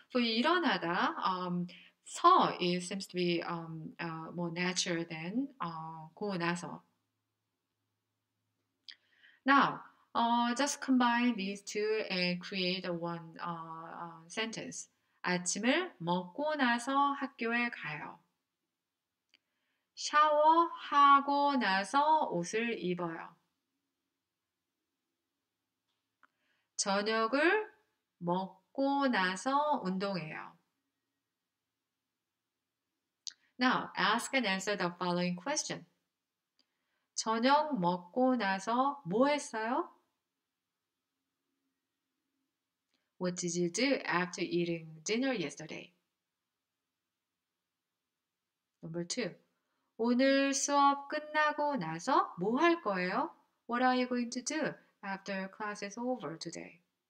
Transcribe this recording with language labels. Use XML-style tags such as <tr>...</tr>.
<en>For 일어나다, 서 it seems to be more natural than 고 나서. Now, just combine these two and create one sentence.</en> <ko>아침을 먹고 나서 학교에 가요. 샤워하고 나서 옷을 입어요. 저녁을 먹고 나서 운동해요.</ko> <en>Now, ask and answer the following question.</en> <ko>저녁 먹고 나서 뭐 했어요?</ko> <en>What did you do after eating dinner yesterday? Number two.</en> <ko>오늘 수업 끝나고 나서 뭐 할 거예요?</ko> <en>What are you going to do after class is over today?</en>